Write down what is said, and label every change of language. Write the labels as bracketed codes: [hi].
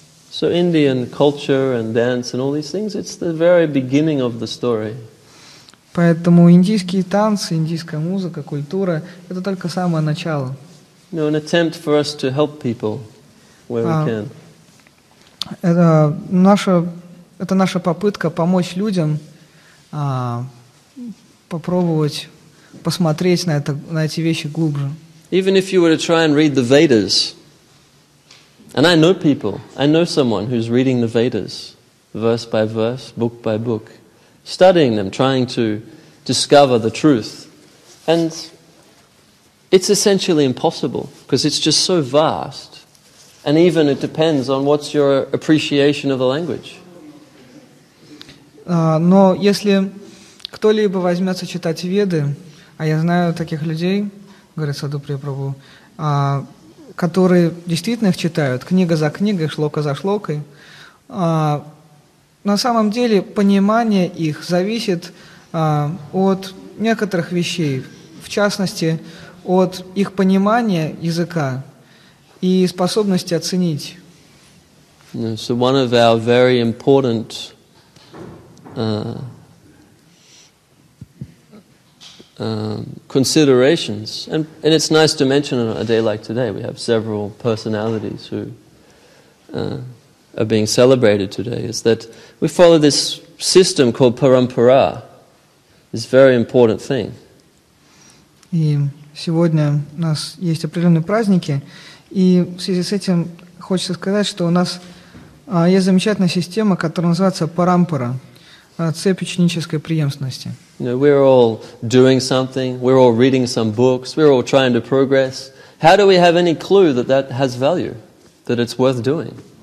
[en] So Indian culture and dance and all these things, it's the very beginning of the story. [ru] Поэтому индийские танцы, индийская музыка, культура – это только самое начало. [en] No, an attempt for us to help people where we can. [ru] Это наша попытка помочь людям попробовать посмотреть на это, на эти вещи глубже. [en] Even if you were to try and read the Vedas, and I know people, I know someone who's reading the Vedas, verse by verse, book by book, studying them, trying to discover the truth, and it's essentially impossible because it's just so vast. And even it depends on what's your appreciation of the language. [ru] Но если кто-либо возьмется читать Веды, а я знаю таких людей, говорит Саду Препрабу, которые действительно их читают, книга за книгой, шлока за шлокой, на самом деле понимание их зависит от некоторых вещей, в частности, от их понимания языка и способности оценить. [en] Yeah, so one of our very important considerations, and it's nice to mention on a day like today, we have several personalities who are being celebrated today, is that we follow this system called parampara, this very important thing. [ru] И сегодня у нас есть определенные праздники, и в связи с этим хочется сказать, что у нас есть замечательная система, которая называется парампара, цепь ученической преемственности. [en] You know, we're all doing something, we're all reading some books, we're all trying to progress. How do we have any clue that that has value, that it's worth doing?